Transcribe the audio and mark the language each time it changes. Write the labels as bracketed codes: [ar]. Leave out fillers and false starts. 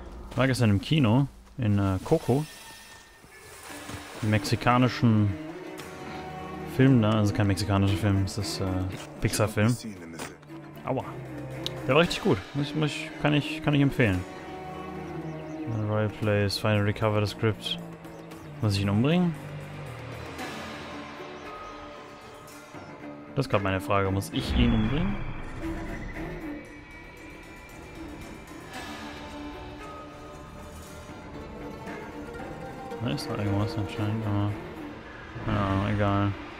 [de] Ich war gestern im Kino in Coco. Im mexikanischen Film da, also kein mexikanischer Film, es ist Pixar-Film. Aua! Der war richtig gut, kann ich empfehlen. [en] Right place, finally recover the script. [de] Muss ich ihn umbringen? Das ist gerade meine Frage. Muss ich ihn umbringen? Da ist doch irgendwas anscheinend, aber... Ja, egal.